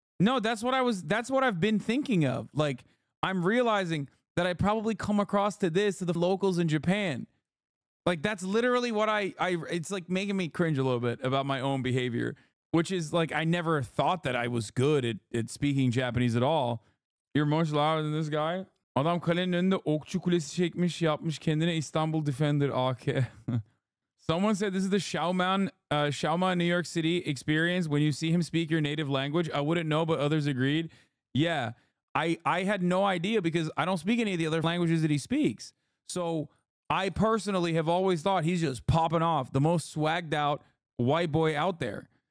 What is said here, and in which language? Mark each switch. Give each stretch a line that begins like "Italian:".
English: No, that's what I've been thinking of. Like, I'm realizing that I probably come across to this to the locals in Japan. Like, that's literally what I it's like making me cringe a little bit about my own behavior, which is like, I never thought that I was good at speaking Japanese at all. You're much louder than this guy.
Turkish: Adam kalenin önünde okçu kulesi çekmiş, yapmış kendine İstanbul Defender AK.
English: Someone said this is the Xiaoma New York City experience. When you see him speak your native language, I wouldn't know, but others agreed. Yeah, I had no idea because I don't speak any of the other languages that he speaks. So I personally have always thought he's just popping off, the most swagged out white boy out there.